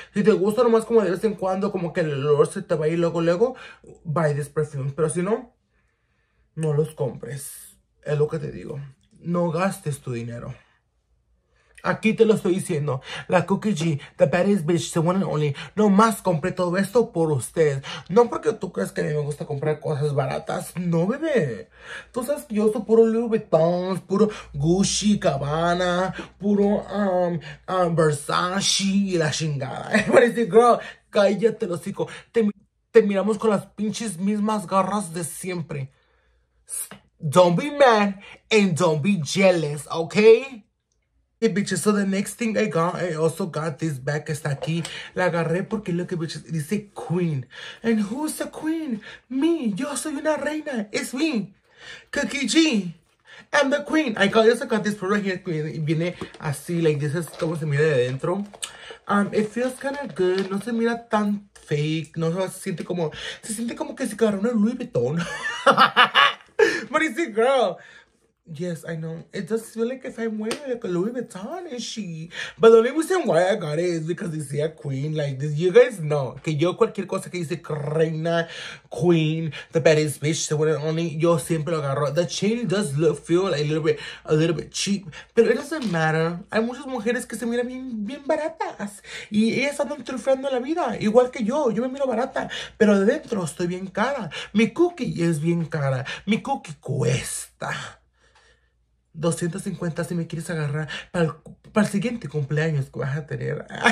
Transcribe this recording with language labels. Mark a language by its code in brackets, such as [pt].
[es] Si te gusta nomás como de vez en cuando, como que el olor se te va a ir luego, luego, [en] buy this perfume. [es] Pero si no, no los compres. Es lo que te digo. No gastes tu dinero. Aquí te lo estoy diciendo. [en] La Cookie G, the baddest bitch, the one and only. [es] Nomás compré todo esto por usted. No porque tú crees que a mí me gusta comprar cosas baratas. No, bebé. Tú sabes que yo soy puro Louis Vuitton, puro Gucci, Cabana, puro Versace y la chingada. Parece, girl, cállate el hocico. Te miramos con las pinches mismas garras de siempre. [en] Don't be mad and don't be jealous, okay? Hey, bitches, so the next thing I got, I also got this bag [es] que está aquí. La agarré porque, [en] look at bitches, [es] dice [en] Queen. And who's the Queen? Me, [es] yo soy una reina. [en] It's me, Cookie G. I'm the Queen. I also got this product here, Queen. [es] Viene así, [en] like, this is [es] como se mira de adentro. [en] It feels kind of good. [es] No se mira tan fake. No se siente como. Se siente como que se agarró una Louis Vuitton. [en] But it's a girl. Yes, I know. It does feel like if I'm wearing like a Louis Vuitton, is she? But the only reason why I got it is because it's a queen. Like, this, you guys know. [es] Que yo cualquier cosa que dice reina, queen, [en] the baddest bitch, the one and only, [es] yo siempre lo agarro. [en] The chain does look, feel like a little bit cheap. Pero it doesn't matter. [es] Hay muchas mujeres que se miran bien, bien baratas. Y ellas andan triunfando la vida. Igual que yo me miro barata. Pero de dentro estoy bien cara. Mi cookie es bien cara. Mi cookie cuesta 250 si me quieres agarrar para el siguiente cumpleaños que vas a tener.